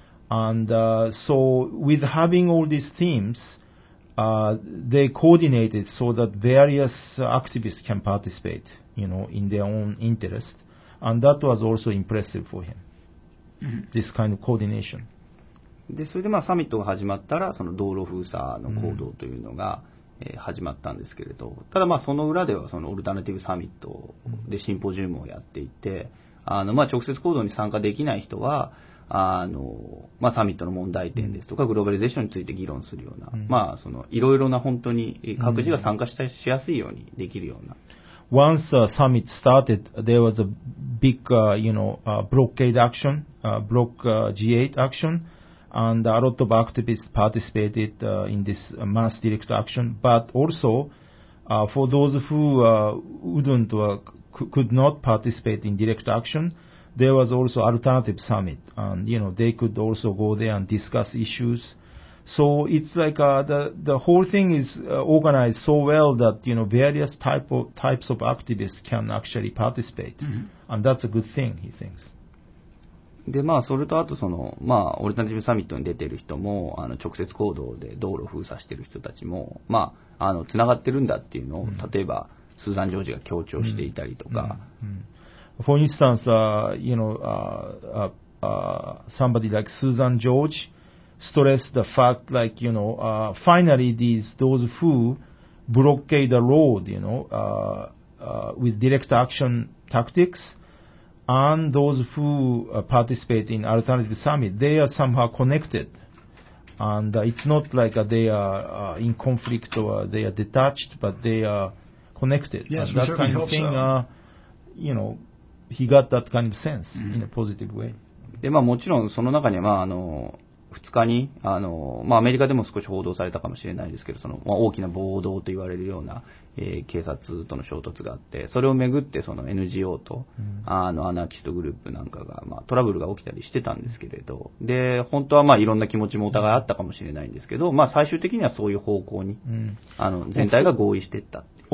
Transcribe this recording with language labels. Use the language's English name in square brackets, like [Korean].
[English] And so with having all these themes, they coordinated so that various activists can participate, you know, in their own interest. And that was also impressive for him, this kind of coordination. [Japanese] でそれでまあサミットが始まったらその道路封鎖の行動というのが、mm-hmm. 始まったんですけれど、ただまあその裏ではそのオルタナティブサミットでシンポジウムをやっていて、あのまあ直接行動に参加できない人はあの、まあ、サミットの問題点ですとかグローバリゼーションについて議論するような、mm-hmm. まあそのいろいろな本当に各自が参加したしやすいようにできるような。 [English] Once a summit started, there was a big, you know, blockade action, block G8 action, and a lot of activists participated in this mass direct action. But also, for those who wouldn't or could not participate in direct action, there was also alternative summit, and you know, they could also go there and discuss issues. So it's like the whole thing is organized so well that you know various types of activists can actually participate、mm-hmm. and that's a good thing he thinks. [Japanese] でまあそれとあとそのまあオルタナティブサミットに出てる人もあの直接行動で道路封鎖してる人たちもまああのつながってるんだっていうのを、mm-hmm. 例えばスーザン・ジョージが強調していたりとか。 [English] Mm-hmm. For instance, somebody like Susan George. Stress the fact, like, you know, finally those who blockade the road, you know, with direct action tactics and those who participate in alternative summit, they are somehow connected. And it's not like they are in conflict or they are detached, but they are connected. Yes, and that kind of thing, so. You know, he got that kind of sense、mm-hmm. in a positive way. [Japanese] で、まあ、もちろんその中には、あの、2日にあの、まあ、アメリカでも少し報道されたかもしれないですけど、その、まあ、大きな暴動と言われるような、警察との衝突があって、それをめぐってその NGO と、うん、あのアナーキストグループなんかが、まあ、トラブルが起きたりしてたんですけれど、で本当は、まあ、いろんな気持ちもお互いあったかもしれないんですけど、まあ、最終的にはそういう方向に、うん、あの全体が合意していったって。